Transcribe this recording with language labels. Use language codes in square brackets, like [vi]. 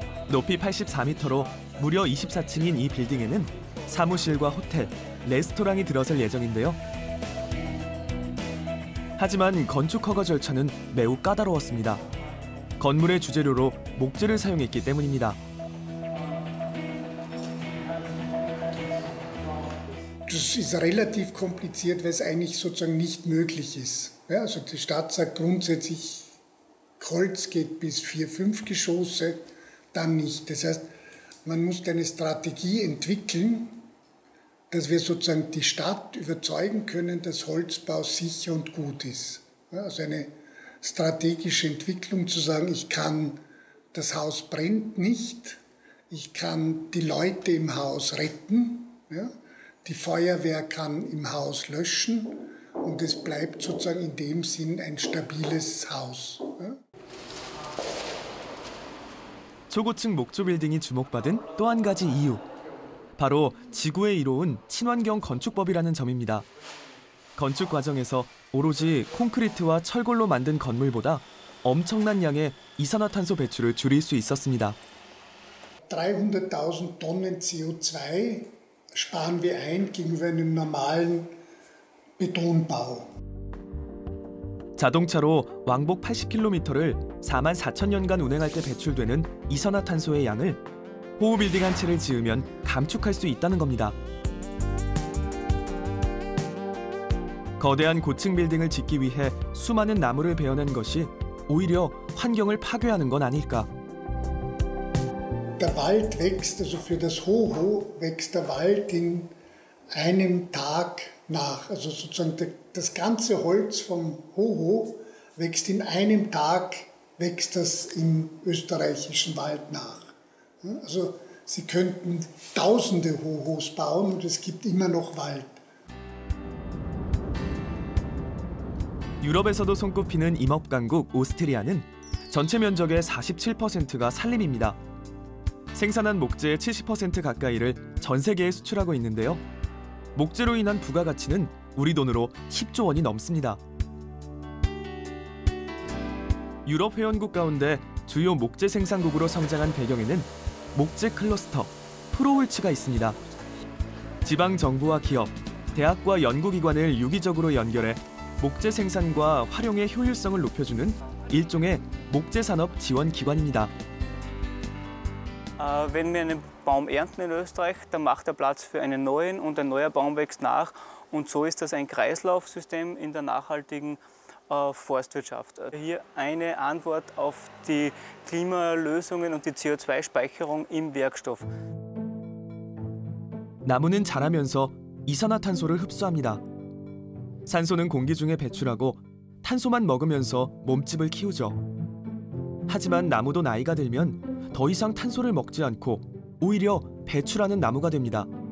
[ko] 높이 84m로 무려 24층인 이 빌딩에는 사무실과 호텔, 레스토랑이 들어설 예정인데요. 하지만 건축 허가 절차는 매우 까다로웠습니다. 건물의 주재료로 목재를 사용했기 때문입니다. [de] Das ist relativ kompliziert, weil es eigentlich sozusagen nicht möglich ist. Ja, also die Stadt sagt grundsätzlich, Holz geht bis 4-5 Geschosse, dann nicht. Das heißt, man muss eine Strategie entwickeln, dass wir sozusagen die Stadt überzeugen können, dass Holzbau sicher und gut ist. Also eine strategische Entwicklung zu sagen, ich kann, das Haus brennt nicht, ich kann die Leute im Haus retten, ja, die Feuerwehr kann im Haus löschen und es bleibt sozusagen in dem Sinn ein stabiles Haus. [ko] 초고층 목조 빌딩이 주목받은 또 한 가지 이유. 바로 지구에 이로운 친환경 건축법이라는 점입니다. 건축 과정에서 오로지 콘크리트와 철골로 만든 건물보다 엄청난 양의 이산화탄소 배출을 줄일 수 있었습니다. [de] 300.000 tonnen CO2 sparen wir ein gegenüber einem normalen Betonbau. [ko] 자동차로 왕복 80km를 44,000년간 운행할 때 배출되는 이산화탄소의 양을 호우 빌딩 한 채를 지으면 감축할 수 있다는 겁니다. 거대한 고층 빌딩을 짓기 위해 수많은 나무를 베어낸 것이 오히려 환경을 파괴하는 건 아닐까? [de] Der Wald wächst, also für das Hoho wächst der Wald in einem Tag nach. Also sozusagen das ganze Holz vom Hoho wächst in einem Tag, wächst das im österreichischen Wald nach. Also, sie könnten tausende Hohos bauen und es gibt immer noch Wald. [ko] 유럽에서도 손꼽히는 임업강국 오스트리아는 전체 면적의 47%가 산림입니다. 생산한 목재의 70% 가까이를 전 세계에 수출하고 있는데요. 목재로 인한 부가가치는 우리 돈으로 10조 원이 넘습니다. 유럽 회원국 가운데 주요 목재 생산국으로 성장한 배경에는 목재 클러스터, 프로울츠가 있습니다. 지방 정부와 기업, 대학과 연구기관을 유기적으로 연결해 목재 생산과 활용의 효율성을 높여주는 일종의 목재 산업 지원 기관입니다. [de] Wenn wir einen Baum ernten in Österreich, dann macht er Platz für einen neuen und ein neuer Baum wächst nach und so ist das ein Kreislaufsystem in der nachhaltigen Forstwirtschaft. Hier eine Antwort auf die Klimalösungen und die CO2-Speicherung im Werkstoff. [ko] 나무는 자라면서 이산화탄소를 흡수합니다. 산소는 공기 중에 배출하고 탄소만 먹으면서 몸집을 키우죠. 하지만 나무도 나이가 들면 더 이상 탄소를 먹지 않고 오히려 배출하는 나무가 됩니다.